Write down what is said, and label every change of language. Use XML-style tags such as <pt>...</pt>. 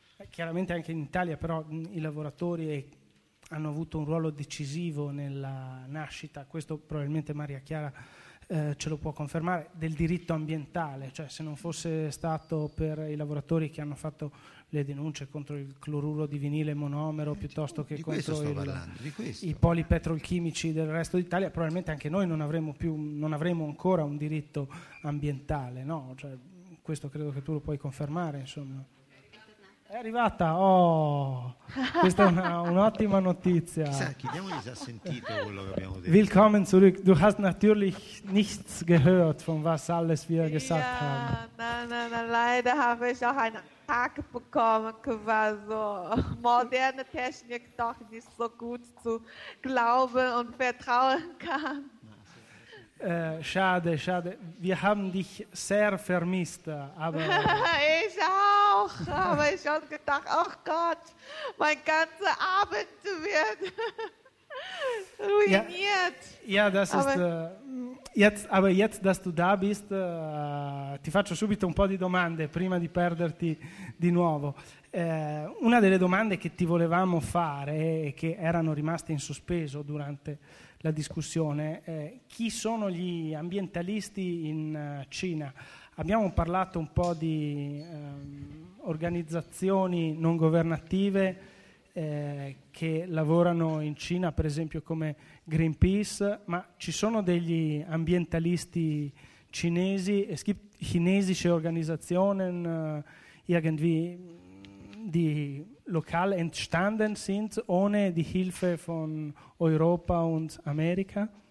<it>Chiaramente anche in Italia però i lavoratori hanno avuto un ruolo decisivo nella nascita, questo probabilmente Maria Chiara ce lo può confermare, del diritto ambientale, cioè se non fosse stato per i lavoratori che hanno fatto le denunce contro il cloruro di vinile monomero piuttosto che contro i poli petrolchimici del resto d'Italia, probabilmente anche noi non avremo ancora un diritto ambientale, no? Cioè, questo credo che tu lo puoi confermare, insomma. È arrivata, oh, questa è un'ottima notizia. Chiediamogli se ha sentito quello che abbiamo detto.</it> <de>Willkommen zurück. Du hast natürlich nichts gehört, von was alles wir gesagt haben. Nein, leider habe ich auch einen Tag bekommen, quasi. Moderne Technik doch nicht so gut zu glauben und vertrauen kann. Schade. Wir haben dich sehr vermisst. Aber ich auch. Aber ich habe gedacht, oh Gott, mein ganzer Abend wird ruiniert. Ja, das aber ist. Jetzt, dass du da bist,</de> <it>ti faccio subito un po' di domande prima di perderti di nuovo. Una delle domande che ti volevamo fare e che erano rimaste in sospeso durante la discussione, chi sono gli ambientalisti in Cina? Abbiamo parlato un po' di organizzazioni non governative che lavorano in Cina, per esempio come Greenpeace, ma ci sono degli ambientalisti cinesi?</it> <de>Es gibt chinesische Organisationen irgendwie, die lokal entstanden sind, ohne die Hilfe von Europa und Amerika?</de>